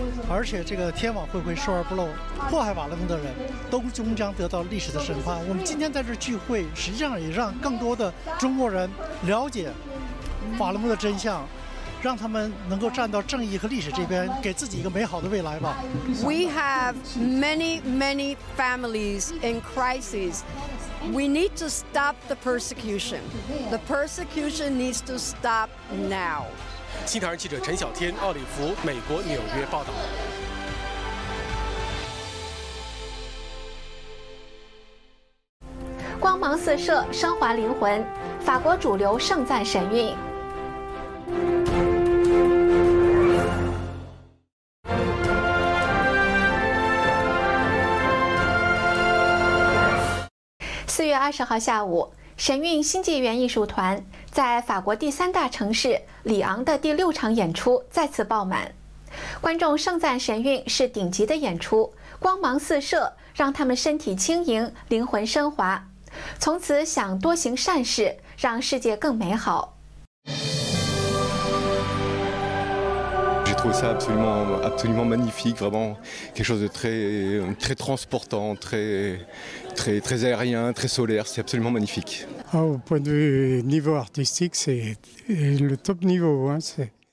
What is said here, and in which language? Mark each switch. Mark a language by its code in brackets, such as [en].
[zh] 而且这个天网恢恢，疏而不漏，迫害法轮功的人都终将得到历史的审判。我们今天在这聚会，实际上也让更多的中国人了解法轮功的真相，让他们能够站到正义和历史这边，给自己一个美好的未来吧。 [en] We have many, many families in crisis. We need to stop the persecution. The persecution needs to stop now. [zh] 新唐人记者陈小天、奥利弗，美国纽约报道。光芒四射，升华灵魂，法国主流盛赞神韵。 4月20号下午，神韵新纪元艺术团在法国第三大城市里昂的第六场演出再次爆满，观众盛赞神韵是顶级的演出，光芒四射，让他们身体轻盈，灵魂升华，从此想多行善事，让世界更美好。 [fr] Ça absolument, absolument magnifique, vraiment quelque chose de très, très transportant, très, très, très aérien, très solaire. C'est absolument magnifique. Au point de vue niveau artistique, c'est le top niveau. Hein, c'est...